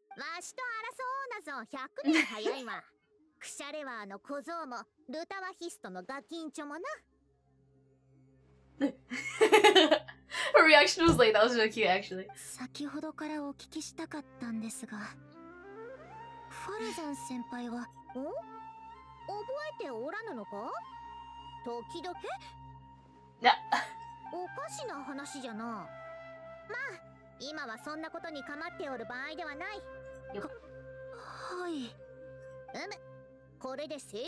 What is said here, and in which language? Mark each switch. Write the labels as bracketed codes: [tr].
[ja] ならば、わしが優勝する瞬間をしっかり収めてもらわんとな。下から上を映す角度で後ろ姿をクローズアップでたくさん撮るんじゃぞ。その方がより先輩さが増すからの。決めつけはよくありませんよ。優勝するのはこの僕です。わしと争うなぞ100年早いわ。 [en] Her reaction was late. That was really cute, actually. [ja] 先ほどからお聞きしたかったんですが、ファルザン先輩は覚えておらぬのか？時々。おかしな話じゃな。まあ今はそんなことに構っておる場合ではない。はい。うむ。